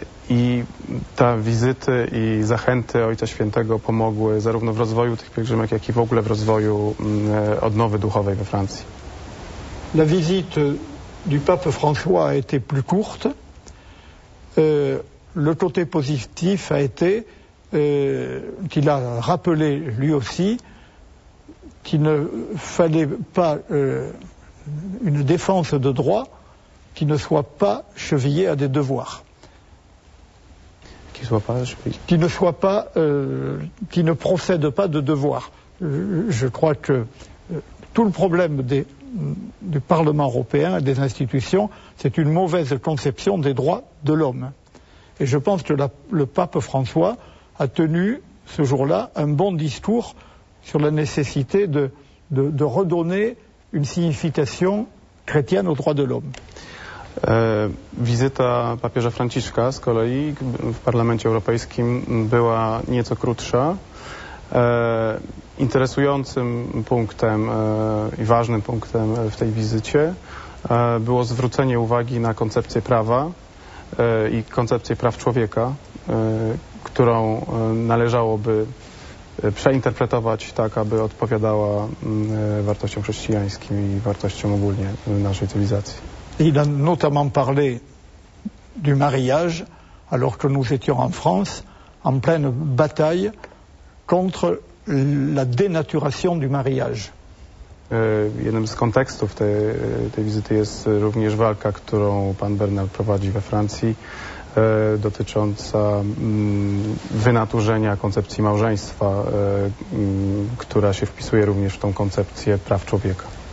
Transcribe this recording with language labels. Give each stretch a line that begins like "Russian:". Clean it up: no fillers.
Polish: I ta wizyty i zachęty Ojca Świętego pomogły zarówno w rozwoju tych pielgrzymek, jak i w ogóle w rozwoju odnowy duchowej we Francji.
French: La visite du pape François a été plus courte. Le côté positif a été qu'il a rappelé lui aussi qu'il ne fallait pas une défense de droit qui ne soit pas chevillée à des devoirs. Qui ne procède pas de devoirs. Je crois que tout le problème du Parlement européen et des institutions, c'est une mauvaise conception des droits de l'homme. Et je pense que le pape François a tenu ce jour-là un bon discours sur la nécessité de redonner une signification chrétienne aux droits de l'homme.
Polish: Wizyta papieża Franciszka z kolei w Parlamencie Europejskim była nieco krótsza. Interesującym punktem i ważnym punktem w tej wizycie było zwrócenie uwagi na koncepcję prawa i koncepcję praw człowieka, którą należałoby przeinterpretować tak, aby odpowiadała wartościom chrześcijańskim i wartościom ogólnie naszej cywilizacji.
French: Il a notamment parlé du mariage alors que nous étions en France en pleine bataille contre la dénaturation du mariage.
Polish: Jednym z kontekstów tej wizyty jest również walka, którą pan Bernal prowadzi we Francji, dotycząca wynaturzenia koncepcji małżeństwa, która się wpisuje również w tą koncepcję praw człowieka.